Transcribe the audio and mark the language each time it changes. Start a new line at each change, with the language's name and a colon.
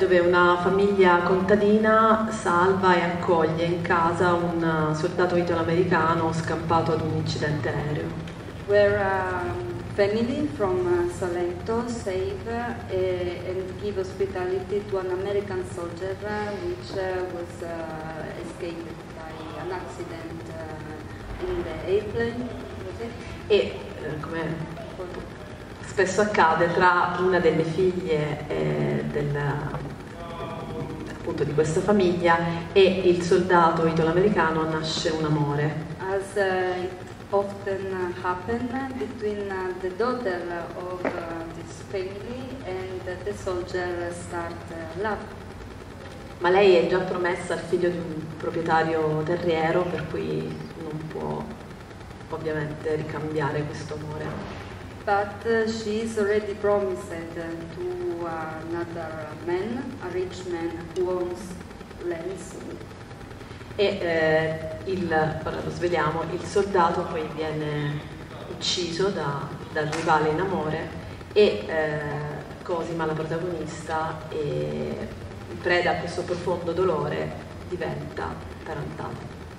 Italian: Dove una famiglia contadina salva e accoglie in casa un soldato italo-americano scampato ad un incidente aereo.
English: Where a family from Salento save and give hospitality to an American soldier which was escaped by an accident in the airplane.
Italian: E come spesso accade, tra una delle figlie appunto di questa famiglia e il soldato italo-americano nasce un amore.
English: As it often happened between the daughter of this family and the soldier start love.
Italian: Ma lei è già promessa al figlio di un proprietario terriero, per cui non può ovviamente ricambiare questo amore.
English: But she is already promised to another man, a rich man who owns lands.
Italian: E ora lo svegliamo, il soldato poi viene ucciso dal rivale in amore e Cosima, la protagonista, e preda a questo profondo dolore, diventa tarantata.